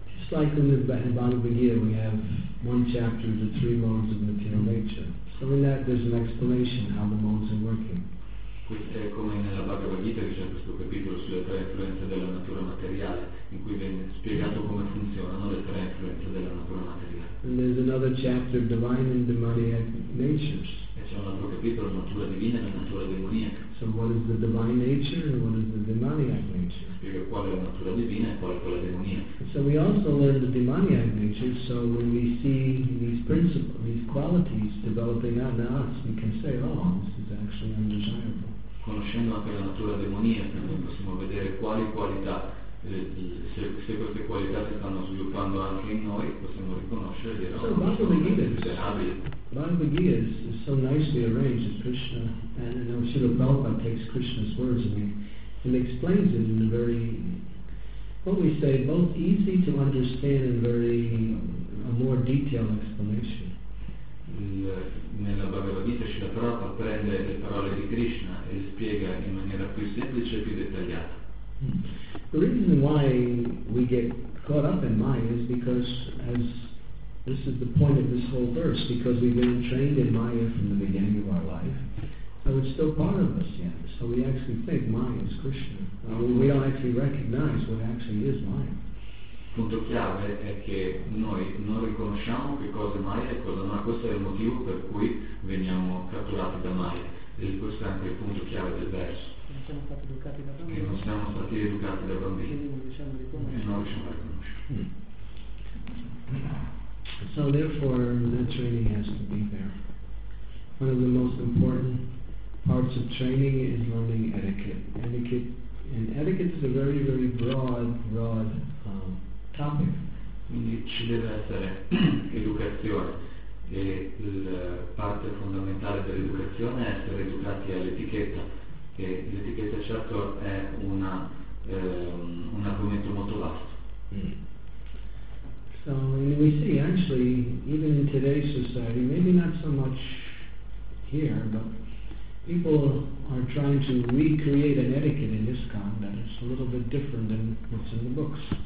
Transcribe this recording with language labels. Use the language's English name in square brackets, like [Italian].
[English] Just like in the Bhagavad Gita we have one chapter of the three modes of material nature. So in that there's an explanation how the modes are working. [Italian] È come nella Bhagavad Gita che c'è questo capitolo sulle tre influenze della natura materiale in cui viene spiegato come funzionano le tre influenze della natura materiale. [English] And there's another chapter, divine and demoniac natures. [Italian] E c'è un altro capitolo, natura divina e natura demoniaca. [English] So what is the divine nature and what is the demoniac nature? [Italian] Spiega qual è la natura divina e qual è quella demoniaca. [English] So we also learn the demoniac nature, so when we see these principles, these qualities developing out in us, we can say, oh, this is actually undesirable. [Italian] Conoscendo anche la natura demoniaca, noi possiamo vedere quali qualità, se queste qualità si stanno sviluppando anche in noi, possiamo riconoscere di essere miserabili. [English] Bhagavad Gita is so nicely arranged that Krishna, and I'm sure Srila Prabhupada takes Krishna's words and explains it in a very, what we say, both easy to understand and very, a more detailed explanation. [Italian] Nella Bhagavad Gita Srila Prabhupada prende le parole di Krishna e le spiega in maniera più semplice e più dettagliata. [English] The reason why we get caught up in Maya is because as this is the point of this whole verse, because we've been trained in Maya from the beginning of our life, so it's still part of us yet. So we actually think Maya is Krishna. We don't actually recognize what actually is Maya. [Italian] Il punto chiave è che noi non riconosciamo che cosa è Maya e cosa no. Questo è il motivo per cui veniamo catturati da Maya. E questo è anche il punto chiave del verso. Non siamo stati educati da bambini. Che non siamo stati educati da bambini. E non riusciamo a riconoscere. [English] So therefore that training has to be there. One of the most important parts of training is learning etiquette. Etiquette is a very, very broad topic. [Italian] Quindi ci deve essere educazione. E la parte fondamentale dell'educazione è essere educati all'etichetta. E l'etichetta certo è un argomento molto vasto. [English] So we see, actually, even in today's society, maybe not so much here, but people are trying to recreate an etiquette in ISKCON that is a little bit different than what's in the books.